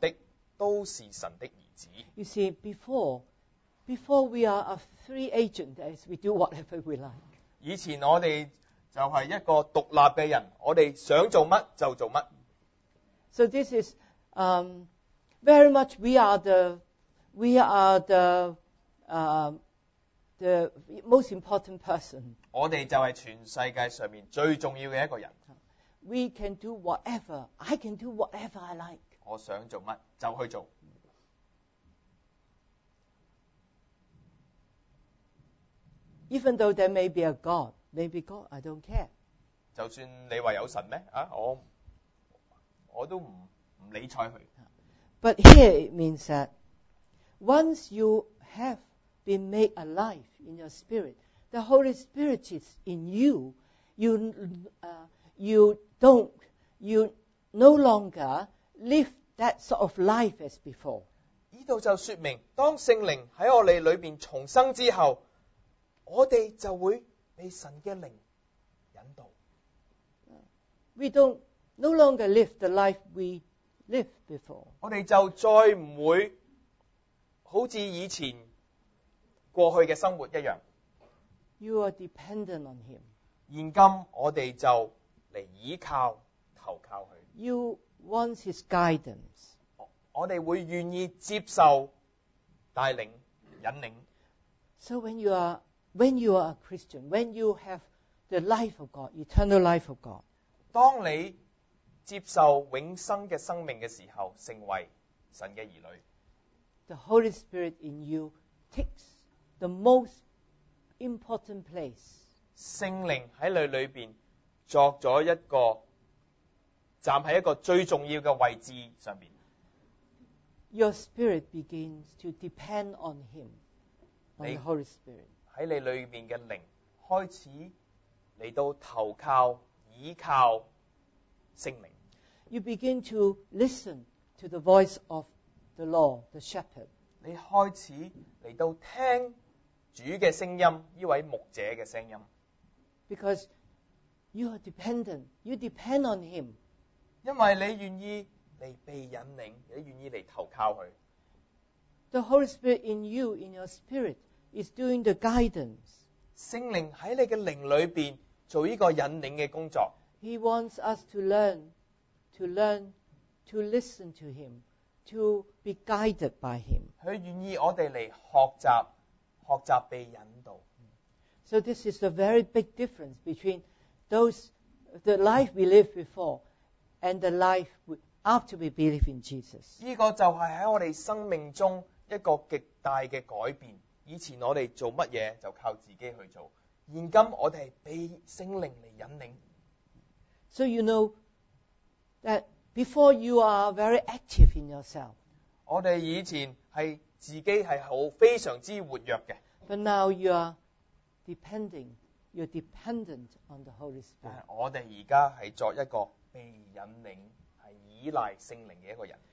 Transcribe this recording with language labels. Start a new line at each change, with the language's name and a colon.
Chinese: 因为凡被神的灵引导的都是神的儿子。
English: You see, before we are a free agent, as we do whatever we like.
Chinese: 以前我们 就是一个独立的人, 我们想做什么就做什么。
English: So this is very much we are the most important person.
Chinese: 我们就是全世界上最重要的一个人。
English: We can do whatever, I can do whatever I like.
Chinese: 我想做什么就去做。
English: Even though there may be a God, maybe God, I don't care.
Chinese: 就算你说有神吗?我都不理睬他。
English: But here it means that once you have been made alive in your spirit, the Holy Spirit is in you. You no longer live that sort of life as before.
Chinese: 这里就说明当圣灵在我们里面重生之后，我们就会被神的灵引导。
English: We don't no longer live the life we lived before.
Chinese: 我们就再不会好像以前过去的生活一样。
English: You are dependent on him.
Chinese: 现今我们就来依靠投靠他。
English: You want his guidance.
Chinese: 我们会愿意接受带领引领。
English: So when you are a Christian, when you have the life of God, eternal life of God,
Chinese: 当你接受永生的生命的时候，成为神的儿女，
English: The Holy Spirit in you takes the most important place.
Chinese: 圣灵在你里面作了一个站在一个最重要的位置上面。
English: Your spirit begins to depend on him, on the Holy Spirit.
Chinese: 在你里面的灵开始来到投靠倚靠圣灵。
English: You begin to listen to the voice of the Lord, the shepherd.
Chinese: 你开始来到听主的声音，这位牧者的声音。
English: Because you are dependent, you depend on him.
Chinese: 因为你愿意来被引领，你愿意来投靠他。
English: The Holy Spirit in you, in your spirit,is doing the guidance.
Chinese: 圣灵在你的灵里面做这个引领的工作。
English: He wants us to learn, to listen to him, to be guided by him.
Chinese: 他愿意我们来学习被引导。
English: So this is a very big difference between the life we lived before and the life after we believe in Jesus.
Chinese: 这个就是在我们生命中一个极大的改变。以前我们做什么就靠自己去做，现今我们是被圣灵来引领。
English: So you know that before you are very active in yourself.
Chinese: 我们以前是自己是很非常之活跃的。
English: But now you're dependent on the Holy Spirit.
Chinese: 我们现在是作一个被引领，是依赖圣灵的一个人。